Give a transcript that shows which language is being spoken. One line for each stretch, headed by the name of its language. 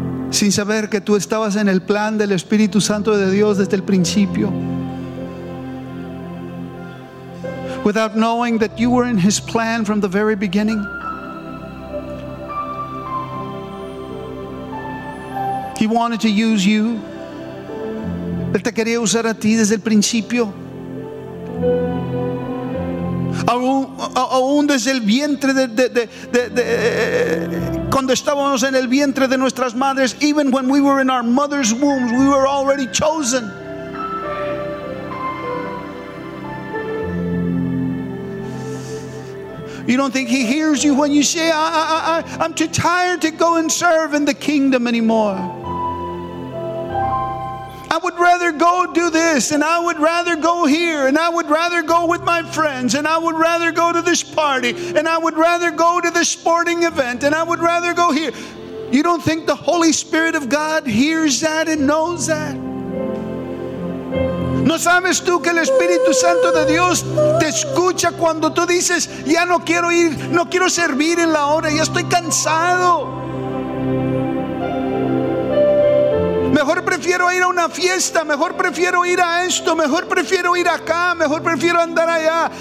Spanish: Sin saber que tú estabas en el plan del Espíritu Santo de Dios desde el principio.
English: Without knowing that you were in his plan from the very beginning. He wanted to use you.
Spanish: Él te quería usar a ti desde el principio. Aún desde el vientre de cuando estábamos en el vientre de nuestras madres,
English: even when we were in our mother's wombs, we were already chosen. You don't think he hears you when you say, I'm too tired to go and serve in the kingdom anymore. I would rather go do this, and I would rather go here, and I would rather go with my friends, and I would rather go to this party, and I would rather go to this sporting event, and I would rather go here. You don't think the Holy Spirit of God hears that and knows that?
Spanish: ¿No sabes tú que el Espíritu Santo de Dios te escucha cuando tú dices, ya no quiero ir, no quiero servir en la hora, ya estoy cansado? Mejor prefiero ir a una fiesta, mejor prefiero ir a esto, mejor prefiero ir acá, mejor prefiero andar allá.